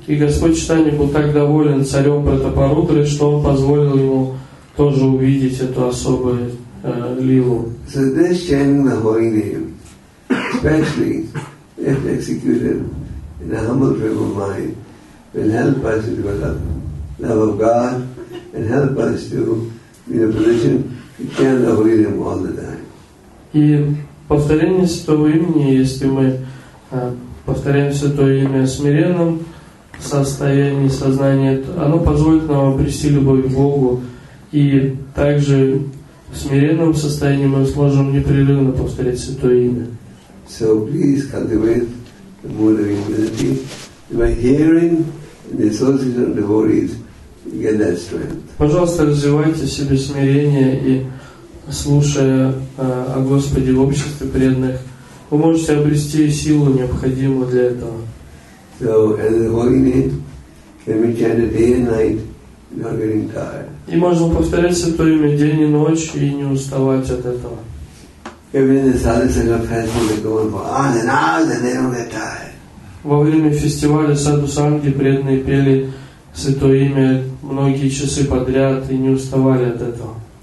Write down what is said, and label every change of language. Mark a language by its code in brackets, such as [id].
[ru] И Господь Читания был так доволен царем Пратапарудрой, что он позволил ему тоже увидеть эту особую лилу. [en] So this chanting the holy name, especially if executed in a humble frame of mind, will help us to develop love of God and help us to be in a position to chant the holy name all the time. [ru] И повторение святого имени, если мы повторяем святое имя смиренным состоянии сознания, оно позволит нам обрести любовь к Богу. И также в смиренном состоянии мы сможем непрерывно повторять Святое Имя. [en] So please cultivate the mood of humility. By hearing the association of devotees, you get that strength. [ru] Пожалуйста, развивайте в себе смирение и слушая о Господе в обществе преданных, вы можете обрести силу, необходимую для этого. [en] So as the holy name can be chanted day and night, not getting tired. [ru] И можно повторять Святое Имя день и ночь и не уставать от этого. Во время фестиваля Саду Санги преданные пели Святое Имя многие часы подряд и не уставали от этого.